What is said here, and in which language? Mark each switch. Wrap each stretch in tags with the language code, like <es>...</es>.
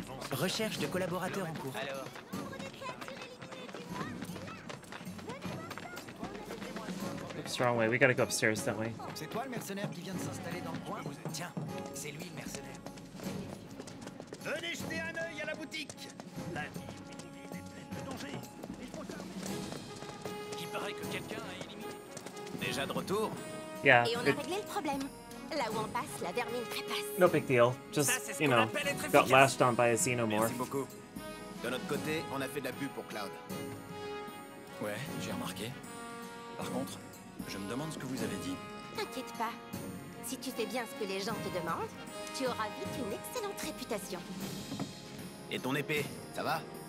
<fr>Recherche de collaborateurs en cours. Alors.</fr> <en>Oops, wrong way. We gotta go upstairs, don't we?</en> <fr>C'est toi le mercenaire qui vient de s'installer dans le coin. Tiens, c'est lui le mercenaire. Venez jeter un œil à la boutique. La vie est pleine de dangers. Il faut s'armer. Il paraît que quelqu'un a éliminé. Déjà de retour.</fr> <en>Yeah.</en> <fr>Et on a réglé le problème. Là où on passe, la vermine trépasse.</fr> <en>No big deal. Just, you know, got lashed on by a xenomorph.</en> <fr>Merci beaucoup. De notre côté, on a fait de la pub pour Cloud. Ouais, j'ai remarqué. Par contre, je me demande ce que vous avez dit. T'inquiète pas. Si tu fais bien ce que les gens te demandent, tu auras vite une excellente réputation. Et ton épée, ça va?</fr>